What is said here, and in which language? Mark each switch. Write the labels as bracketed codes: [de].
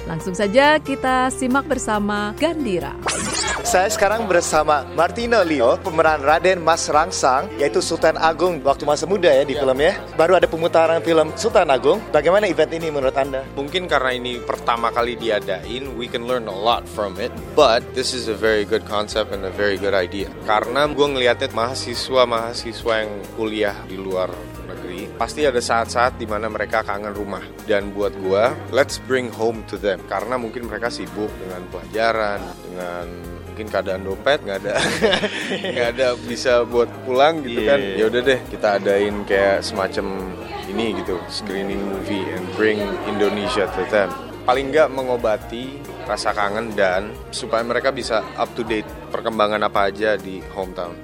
[id] Langsung saja kita simak bersama Gandira. Saya sekarang bersama Martino Leo, pemeran Raden Mas Rangsang, yaitu Sultan Agung waktu masa muda ya di film ya. Baru ada pemutaran film Sultan Agung. Bagaimana event ini menurut Anda? Mungkin karena ini pertama kali diadain, [en] we can learn a lot from it. But this is a very good concept and a very good idea. [id] Karena gue ngeliatnya mahasiswa-mahasiswa yang kuliah di luar negeri, pasti ada saat-saat di mana mereka kangen rumah. Dan buat gue, [en] let's bring home to them. [id] Karena mungkin mereka sibuk dengan pelajaran, dengan mungkin keadaan dompet nggak ada bisa buat pulang gitu kan. Ya udah deh, kita adain kayak semacam ini gitu, [en] screening movie and bring Indonesia to them. [id] Paling nggak mengobati rasa kangen dan supaya mereka bisa [en] up to date [id] perkembangan apa aja di hometown.